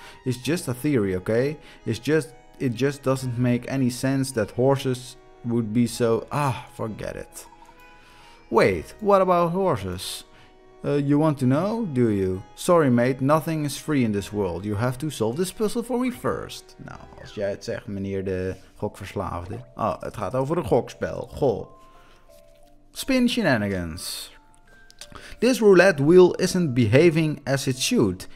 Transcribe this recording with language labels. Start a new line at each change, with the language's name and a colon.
English: It's just a theory, okay? It just doesn't make any sense that horses would be so... Ah, forget it. Wait, what about horses? You want to know, do you? Sorry mate, nothing is free in this world. You have to solve this puzzle for me first.
Dutch: Nou, als jij het zegt, meneer de gokverslaafde. Oh, het gaat over een gokspel.
English: Goh. Spin shenanigans. This roulette wheel isn't behaving as it should.